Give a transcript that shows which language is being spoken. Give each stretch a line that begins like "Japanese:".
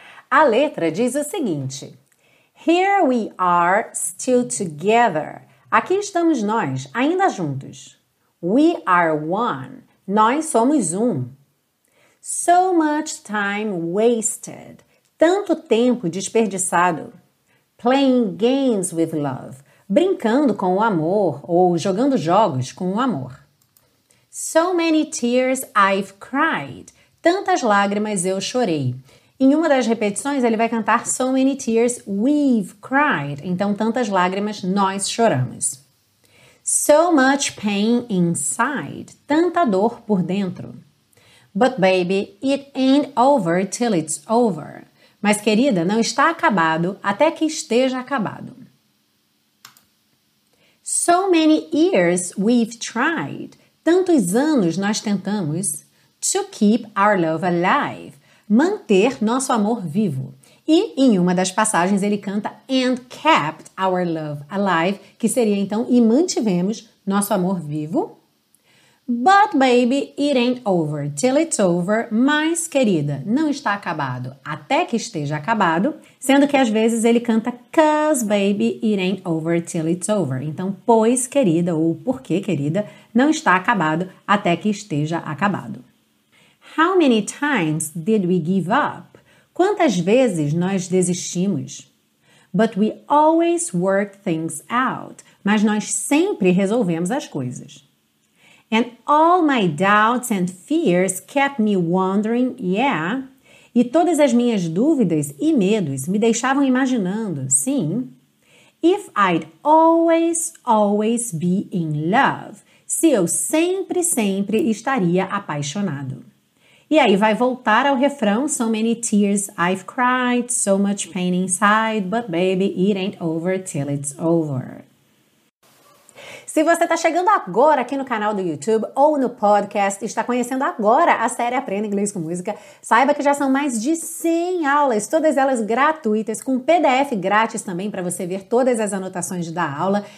Portuguese: A letra diz o seguinte:
English: Here we are still together.
Portuguese: Aqui estamos nós, ainda juntos.
English: We are one.
Portuguese: Nós somos um.
English: So much time wasted.
Portuguese: Tanto tempo desperdiçado.
English: Playing games with love.
Portuguese: Brincando com o amor ou jogando jogos com o amor.
English: So many tears I've cried.
Portuguese: Tantas lágrimas eu chorei. Em uma das repetições, ele vai cantar
English: So many tears we've cried.
Portuguese: Então, tantas lágrimas nós choramos.
English: So much pain inside.
Portuguese: Tanta dor por dentro.
English: But baby, it ain't over till it's over.
Portuguese: Mas, querida, não está acabado até que esteja acabado.
English: So many years we've tried.
Portuguese: Tantos anos nós tentamos.
English: To keep our love alive.
Portuguese: Manter nosso amor vivo. E, em uma das passagens, ele canta
English: And kept our love alive,
Portuguese: que seria, então, e mantivemos nosso amor vivo.
English: But, baby, it ain't over till it's over.
Portuguese: Mas, querida, não está acabado até que esteja acabado. Sendo que, às vezes, ele canta
English: Cause, baby, it ain't over till it's over.
Portuguese: Então, pois, querida, ou porque, querida, não está acabado até que esteja acabado.
English: How many times did we give up?
Portuguese: Quantas vezes nós desistimos?
English: But we always work things out.
Portuguese: Mas nós sempre resolvemos as coisas.
English: And all my doubts and fears kept me wondering, yeah.
Portuguese: E todas as minhas dúvidas e medos me deixavam imaginando, sim.
English: If I'd always, always be in love.
Portuguese: Se eu sempre, sempre estaria apaixonado. E aí vai voltar ao refrão,
English: so many tears I've cried, so much pain inside, but baby, it ain't over till it's over.
Portuguese: Se você está chegando agora aqui no canal do YouTube ou no podcast e está conhecendo agora a série Aprenda Inglês com Música, saiba que já são mais de 100 aulas, todas elas gratuitas, com PDF grátis também para você ver todas as anotações da aula.